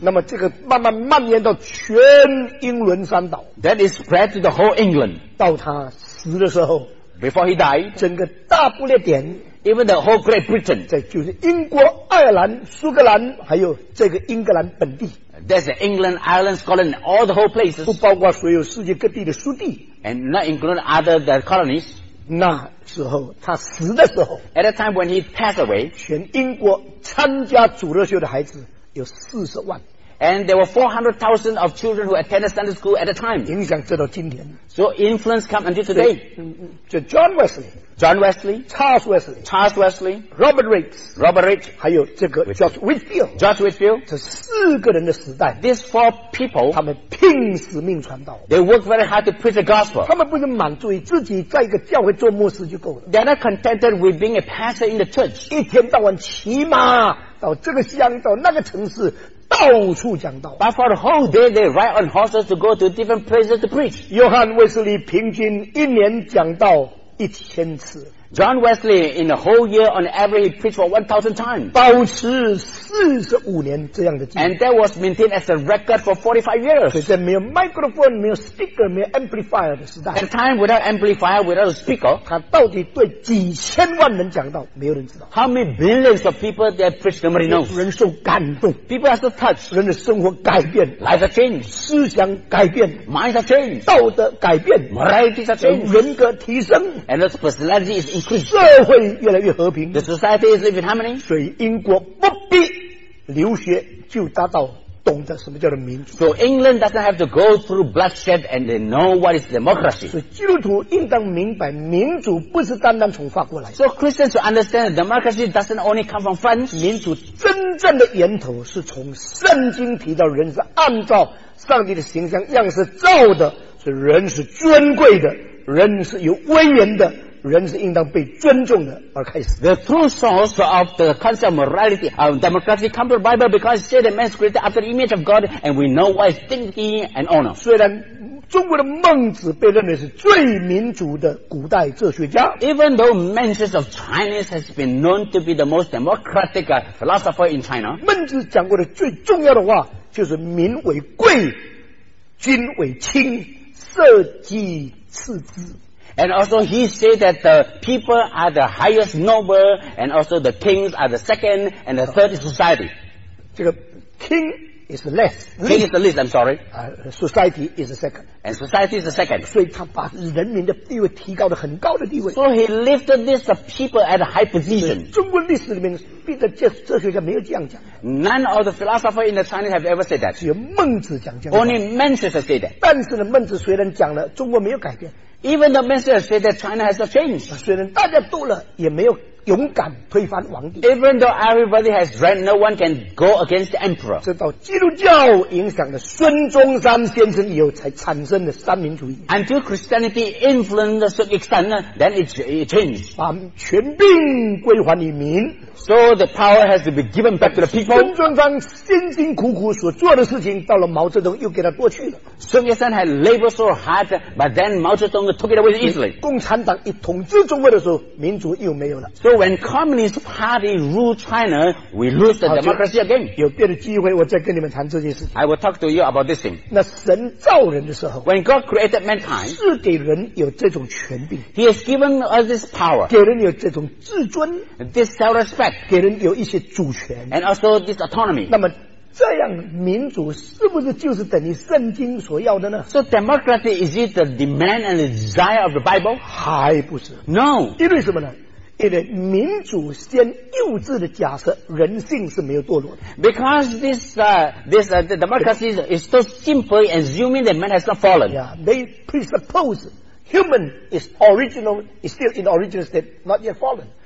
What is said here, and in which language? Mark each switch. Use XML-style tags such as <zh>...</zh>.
<zh>那么这个慢慢蔓延到全英伦三岛</zh> <en>，That is spread to the whole England。</en> <zh>到他死的时候</zh> <en>，Before he died，</en> <zh>整个大不列颠。</zh> <en>Even the whole Great Britain,</en> <zh>在就是英国、爱尔兰、苏格兰，还有这个英格兰本地。</zh> <en>That's England, Ireland, Scotland, all the whole places.</en> <zh>不包括所有世界各地的属地。</zh> <en>And not include other the colonies.</en> <zh>那时候他死的时候</zh> <en>，At the time when he passed away,</en> <zh>全英国参加主日学的孩子有400,000。</zh> <en>And there were 400,000 of children who attended Sunday school at the time.</en> <zh>影响直到今天。</zh> <en>So influence come until today.</en> <zh>就 John Wesley。</zh> <en>John Wesley, Charles Wesley, Charles Wesley, Robert Riggs, Robert Riggs,</en> <zh>还有这个 George Whitfield,</zh> <en>George Whitfield,</en> <zh>这四个人的时代</zh> <en>，these four people,</en> <zh>他们拼死命传道</zh> <en>，they work very hard to preach the gospel.</en> <zh>他们不是满足于自己在一个教会做牧师就够了</zh> <en>，they're not contented with being a pastor in the church.</en> <zh>一天到晚骑马到这个乡到那个城市。到处讲道</zh> <en>But for the whole day they ride on horses to go to different places to preach.</en> <zh>约翰·威斯利平均一年讲道1000次</zh> <en>John Wesley in a whole year on average preached for 1000 times.</en> <zh>保持45年这样的记录</zh> <en>And that was maintained as a record for 45 years.</en> <zh>所以在没有 microphone 没有 speaker 没有 amplifier 的时代</zh> <en>At a time without amplifier without a speaker</en> <zh>他到底对几千万人讲道没有人知道</zh> <en>How many billions of people that preach nobody knows</en> <zh>人受感动</zh> <en>People have to touch</en> <zh>人的生活改变</zh> <en>Life has changed</en> <zh>思想改变</zh> <en>Minds have changed</en> <zh>道德改变</zh> <en>Morality has changed</en> <zh>人格提升</zh> <en>And the personality is increased</en> <zh>社会越来越和平</zh> <en>The society is living harmony</en> <zh>所以英国不必留学就达到懂得什么叫做民主</zh> <en>So England doesn't have to go through bloodshed and they know what is democracy</en> <zh>所以基督徒应当明白民主不是单单从法国来</zh> <en>So Christians should understand democracy doesn't only come from France</en> <zh>民主真正的源头是从圣经提到人是按照上帝的形象样式造的所以人是尊贵的人是有威严的人是应当被尊重的而开始</zh> <en>The true source of the concept of morality of democracy comes from the Bible because it says that man is created after the image of God and we know what is dignity and honor</en> <zh>虽然中国的孟子被认为是最民主的古代哲学家</zh> <en>Even though Mencius of Chinese has been known to be the most democratic philosopher in China</en> <zh>孟子讲过的最重要的话就是民为贵君为轻社稷次之</zh> <en>And also he said that the people are the highest noble and also the kings are the second and the third society. 这个 king is the least. King is the least, I'm sorry. Society is the second. And society is the second.</en> <zh>所以他把人民的地位提高到很高的地位。</zh> <en>So he lifted this people at a high position.</en> <zh>中国历史里面比的哲学家没有这样讲。</zh> <en>None of the philosophers in the Chinese have ever said that.</en> <zh>只有孟子讲这</zh> <en>样。Only Mencius said that.</en> <zh>但是呢孟子虽然讲了中国没有改变。</zh> <en>Even the Mencius said that China has not changed.</en> <zh>虽然大家读了也没有勇敢推翻皇帝。</zh> <en>Even though everybody has read, no one can go against the emperor.</en> <zh>直到基督教影响了孙中山先生以后，才产生了三民主义。</zh> <en>Until Christianity influenced to some extent, then it changed.</en> <zh>把权柄归还于民。</zh> <en>So the power has to be given back to the people.</en> <zh>孙中山辛辛苦苦所做的事情，到了毛泽东又给他过去了。</zh> <en>孙中山 had labored so hard, but then Mao Zedong took it away easily.</en> <zh>共产党一统治中国的时候，民主又没有了。</zh> <en>So when Communist Party rule China, we lose the democracy again.</en> <zh>有别的机会，我再跟你们谈这件事情。</zh> <en>I will talk to you about this thing.</en> <zh>那神造人的时候</zh> <en>，When God created mankind,</en> <zh>是给人有这种权柄。</zh> <en>He has given us this power.</en> <zh>给人有这种自尊</zh> <en>，this self-respect.</en> <zh>给人有一些主权</zh> <en>，and also this autonomy.</en> <zh>那么这样民主是不是就是等于圣经所要的呢</zh> <en>So democracy is it the demand and the desire of the Bible?</en> <zh>还不是</zh> <en>No</en> <zh>因为什么呢因为民主先幼稚的假设人性是没有堕落的</zh> <en>Because this democracy is so simple assuming that man has not fallen Yeah, they presuppose human is original, is still in the original state, not yet fallen.</en>